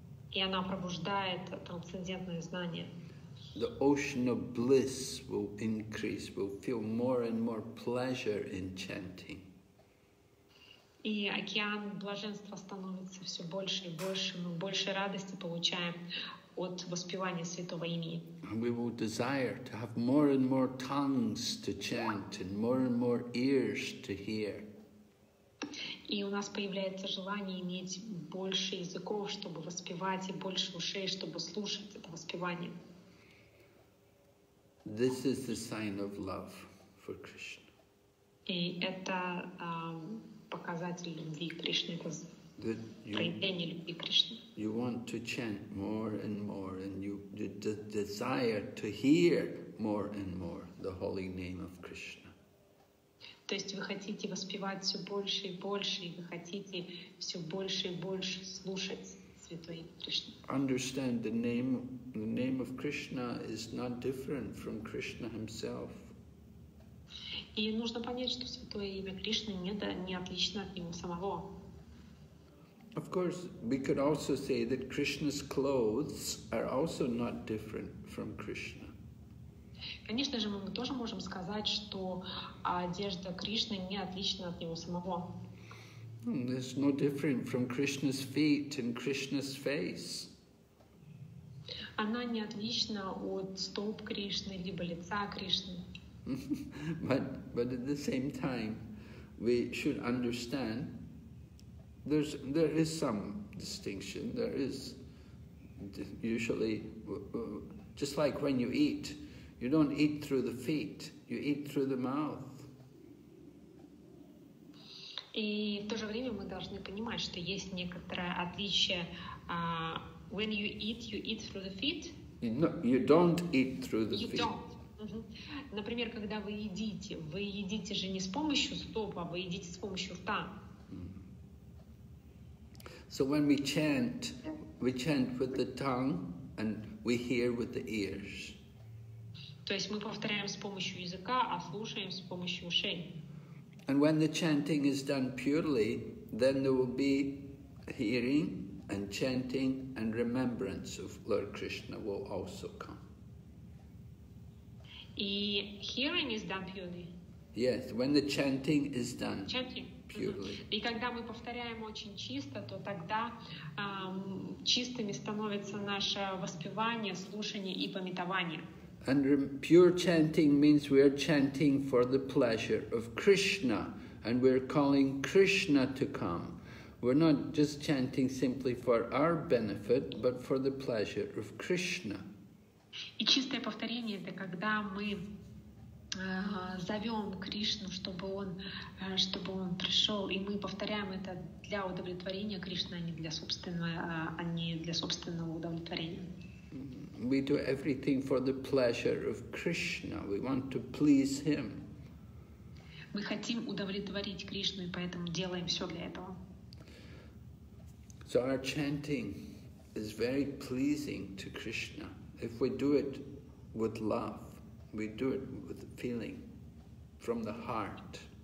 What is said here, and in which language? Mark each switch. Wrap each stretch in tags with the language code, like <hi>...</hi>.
<ru>И она пробуждает трансцендентное знание.</ru> <en>The ocean of bliss will increase, will feel more and more pleasure in chanting.</en> <ru>И океан блаженства становится все больше и больше, мы больше радости получаем от воспевания святого имени.</ru> <en>And we will desire to have more and more tongues to chant and more ears to hear.</en> <ru>И у нас появляется желание иметь больше языков, чтобы воспевать, и больше ушей, чтобы слушать это воспевание.</ru> <en>This is the sign of love for Krishna.</en> <ru>И это показатель любви Кришны, это проявление любви Кришны.</ru> <en>You want to chant more and more, and you desire to hear more and more the holy name of Krishna.</en> <ru>То есть вы хотите воспевать все больше и больше, и вы хотите все больше и больше слушать</ru> <en>Understand the name. The name of Krishna is not different from Krishna himself.</en> <ru>И нужно понять, что святое имя Кришны не отлично от него самого.</ru> <en>Of course, we could also say that Krishna's clothes are also not different from Krishna.</en> <ru>Конечно же, мы тоже можем сказать, что одежда Кришны не отлична от него самого.</ru> <en>There's no different from Krishna's feet and Krishna's face.</en> <ru>Она не отлична от стоп Кришны либо лица Кришны.</ru> <en>But at the same time, we should understand there is some distinction. There is usually just like when you eat, you don't eat through the feet, you eat through the mouth.</en> <ru>И в то же время мы должны понимать, что есть некоторое отличие.</ru> <en>When you eat, you eat through the feet. No, you don't eat through the feet. Mm-hmm.</en> <ru>Например, когда вы едите же не с помощью стоп, а вы едите с помощью рта.</ru> <en>So when we chant with the tongue and we hear with the ears.</en> <ru>То есть мы повторяем с помощью языка, а слушаем с помощью ушей.</ru> <en>And when the chanting is done purely, then there will be hearing and chanting and remembrance of Lord Krishna will also come. И hearing is done purely. Yes, when the chanting is done chanting. purely.</en> <ru>И когда мы повторяем очень чисто, то тогда чистыми становится наше воспевание, слушание и памятование.</ru> <en>And pure chanting means we are chanting for the pleasure of Krishna, and we are calling Krishna to come. We're not just chanting simply for our benefit, but for the pleasure of Krishna.</en> <ru>И чистое повторение это когда мы зовем Кришну, чтобы он пришел, и мы повторяем это для удовлетворения Кришны, а не для собственного удовлетворения.</ru> <en>We do everything for the pleasure of Krishna. We want to please him.</en> <ru>Мы хотим удовлетворить Кришну, и поэтому делаем все для этого.</ru> <en>So our chanting is very pleasing to Krishna. If we do it with love, we do it with feeling from the heart.</en>